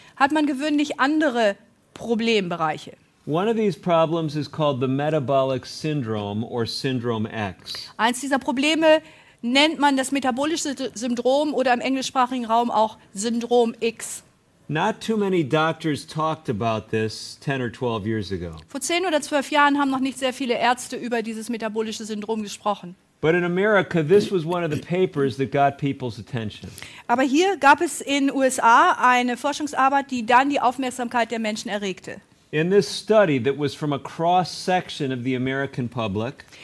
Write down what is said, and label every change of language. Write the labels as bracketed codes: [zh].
[de] Hat man gewöhnlich andere Problembereiche. [en] One of these problems is called the metabolic syndrome or syndrome X. [de] Eins dieser Probleme nennt man das metabolische Syndrom oder im englischsprachigen Raum auch Syndrom X. [en] Not too many doctors talked about this 10 or 12 years ago. [de] Vor 10 oder 12 Jahren haben noch nicht sehr viele Ärzte über dieses metabolische Syndrom gesprochen. [en] But in America, this was one of the papers that got people's attention. [de] Aber hier gab es in USA eine Forschungsarbeit, die dann die Aufmerksamkeit der Menschen erregte. [en] In this study that was from a cross section of the American public,